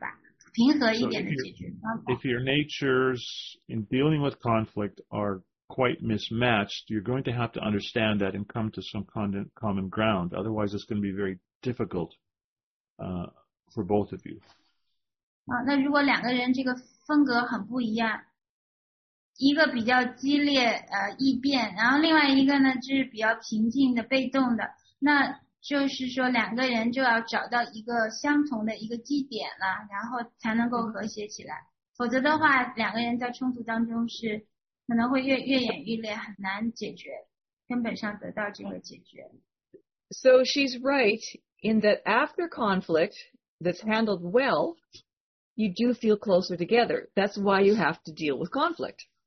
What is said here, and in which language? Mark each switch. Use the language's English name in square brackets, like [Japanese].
[Chinese] 那就是说你可能比较戏剧化、激烈一点，但是有一些人他可能就喜欢比较平静的一些的这样子的一个解决方法，平和一点的解决方法。 [English] So if your natures in dealing with conflict are quite mismatched, you're going to have to understand that and come to some common ground. Otherwise, it's going to be very difficult for both of you. [Chinese] 那如果两个人这个风格很不一样，一个比较激烈，异变，然后另外一个呢就是比较平静的、被动的，那就是说两个人就要找到一个相同的一个基点了，然后才能够和谐起来。否则的话，两个人在冲突当中是 可能会越演越烈，很难解决，根本上得到这个解决。So [English] she's right in that after conflict that's handled well, you do feel closer together. That's why you have to deal with conflict.